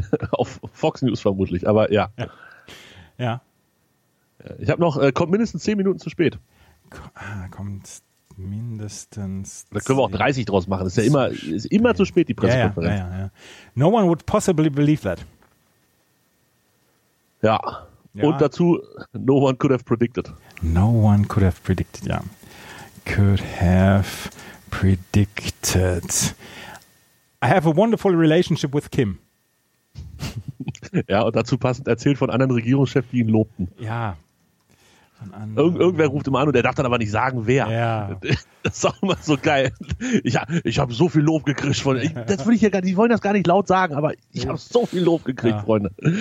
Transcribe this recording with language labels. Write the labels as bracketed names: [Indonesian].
[German] Auf Fox News vermutlich, aber ja. Ja. Ich habe noch, kommt mindestens 10 Minuten zu spät. Kommt mindestens. Da können wir auch 30 draus machen. Das ist ja immer, ist immer zu spät, die Pressekonferenz. Ja. [English] No one would possibly believe that. [German] Ja. Und dazu, [English] no one could have predicted. No one could have predicted, ja. Could have predicted. I have a wonderful relationship with Kim. [German] Ja, und dazu passend erzählt von anderen Regierungschefs, die ihn lobten. Ja. Irgendwer ruft immer an und er darf dann aber nicht sagen, wer. Ja. Das ist auch immer so geil. Ich habe so viel Lob gekriegt von. Das will ich ja gar nicht. Die wollen das gar nicht laut sagen, aber ich habe so viel Lob gekriegt, Freunde.